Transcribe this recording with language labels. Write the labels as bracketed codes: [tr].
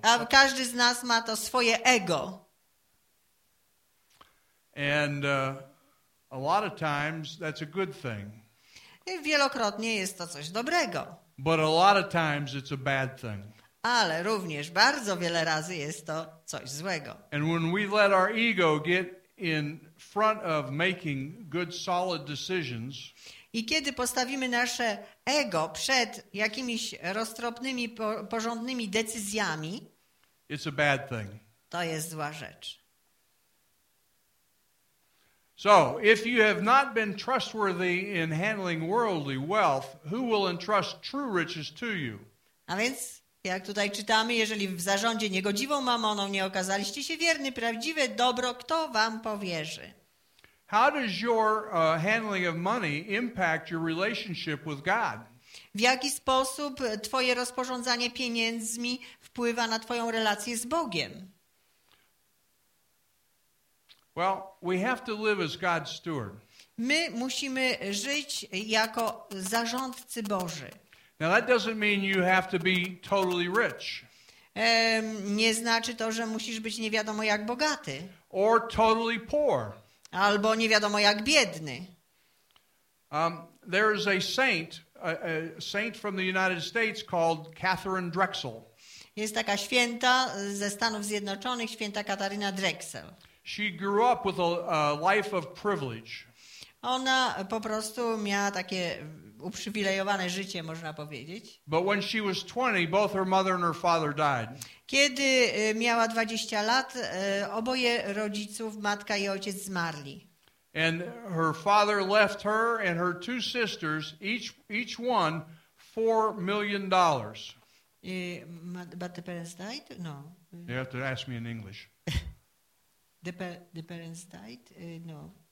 [pl] A każdy z nas ma to swoje ego. [en] And a lot of times that's a good thing. [pl] Wielokrotnie jest to coś dobrego. [en] But a lot of times it's a bad thing. [pl] Ale również bardzo wiele razy jest to coś złego. [en] And when we let our ego get in front of making good, solid decisions, [pl] i kiedy postawimy nasze ego przed jakimiś roztropnymi, porządnymi decyzjami, [en] it's a bad thing. [pl] To jest zła rzecz. [en] So, if you have not been trustworthy in handling worldly wealth, who will entrust true riches to you? [pl] A więc, jak tutaj czytamy, jeżeli w zarządzie niegodziwą mamoną nie okazaliście się wierny, prawdziwe dobro kto wam powierzy? [en] How does your handling of money impact your relationship with God? [pl] W jaki sposób twoje rozporządzanie pieniędzmi wpływa na twoją relację z Bogiem? [en] Well, we have to live as God's steward. [pl] My musimy żyć jako zarządcy Boży. [en] Now that doesn't mean you have to be totally rich. [pl] Nie znaczy to, że musisz być nie wiadomo jak bogaty. [en] Or totally poor. [pl] Albo nie wiadomo jak biedny. [en] There is a saint, a saint from the United States called Catherine Drexel. [pl] Jest taka święta ze Stanów Zjednoczonych, święta Kataryna Drexel. [en] She grew up with a life of privilege. [pl] Ona po prostu miała takie uprzywilejowane życie, można powiedzieć. [en] But when she was 20, both her mother and her father died. [pl] Kiedy miała 20 lat, oboje rodziców, matka i ojciec, zmarli. [en] And her father left her and her two sisters, each one, $4 million. But the parents died? No. You have to ask me in English. The parents died? No.